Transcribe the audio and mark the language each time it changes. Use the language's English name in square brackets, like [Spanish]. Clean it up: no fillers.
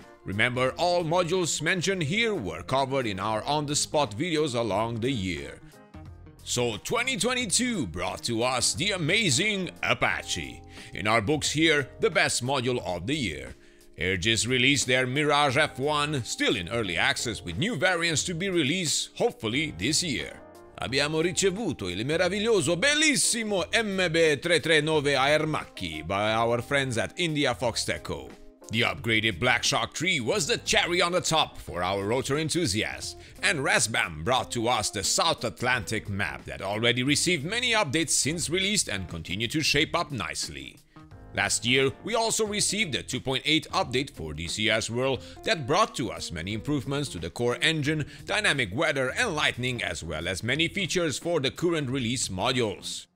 [English] Remember, all modules mentioned here were covered in our on-the-spot videos along the year. So 2022 brought to us the amazing Apache. In our books here, the best module of the year. Aegis released their Mirage F1, still in early access with new variants to be released, hopefully this year. [Italian] Abbiamo ricevuto il meraviglioso, bellissimo MB339 Aermacchi [English] by our friends at India Fox Techco. The upgraded Black Shark 3 was the cherry on the top for our rotor enthusiasts, and Resbam brought to us the South Atlantic map that already received many updates since released and continue to shape up nicely. Last year, we also received a 2.8 update for DCS World that brought to us many improvements to the core engine, dynamic weather and lightning, as well as many features for the current release modules.